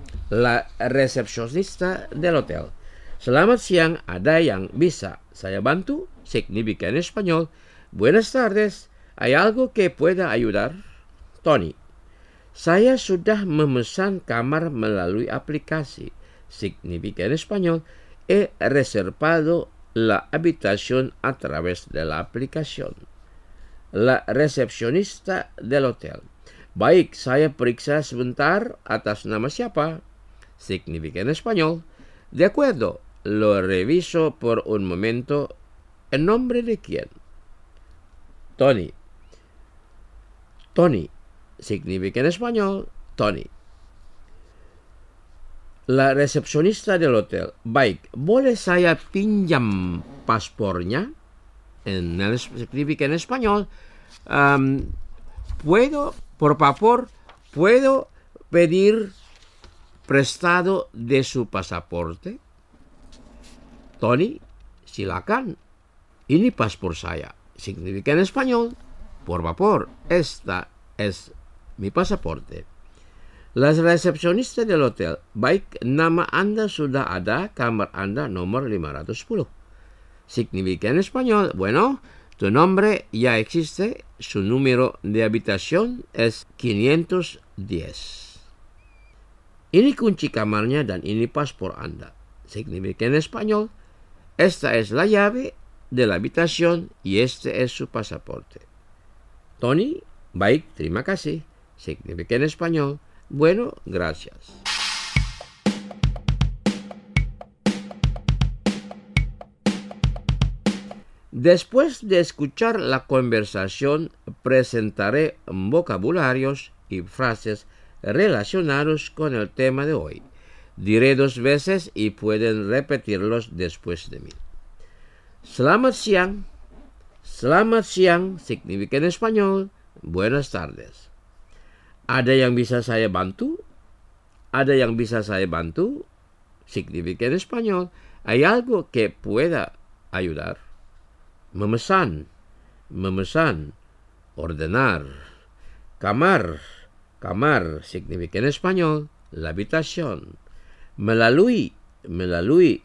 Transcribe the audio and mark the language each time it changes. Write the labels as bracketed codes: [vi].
[es] La recepcionista del hotel, [id] selamat siang, ada yang bisa saya bantu, [es] significa en español, buenas tardes, ¿hay algo que pueda ayudar? Tony, [id] saya sudah memesan kamar melalui aplikasi, [es] significa en español, he reservado la habitación a través de la aplicación. La recepcionista del hotel. [id] Baik, saya periksa sebentar atas nama siapa. [es] Significa en español. De acuerdo, lo reviso por un momento. ¿En nombre de quién? Tony. Tony. Significa en español. Tony. La recepcionista del hotel. [id] Baik, ¿boleh saya pinjam paspornya? [es] Significa en español. ¿Puedo, por favor, puedo pedir prestado de su pasaporte? [id] Tony, silakan. Ini paspor saya. [es] Significa en español. Por favor, esta es mi pasaporte. La recepcionista del hotel. [id] Baik, nama Anda sudah ada, kamar Anda nomor 510. [es] Significa en español. Bueno, tu nombre ya existe, su número de habitación es 510. [id] Ini kunci kamarnya dan ini paspor Anda. [es] Significa en español. Esta es la llave de la habitación y este es su pasaporte. Tony, [id] baik, terima kasih. [es] Significa en español. Bueno, gracias. Después de escuchar la conversación, presentaré vocabularios y frases relacionados con el tema de hoy. Diré dos veces y pueden repetirlos después de mí. [id] Selamat siang. Selamat siang [es] significa en español buenas tardes. [id] ¿Ada yang bisa saya bantu? ¿Ada yang bisa saya bantu? [es] Significa en español. ¿Hay algo que pueda ayudar? [id] Memesan. Memesan. Ordenar. Kamar. Kamar. [es] Significa en español. La habitación. [id] Melalui. Melalui.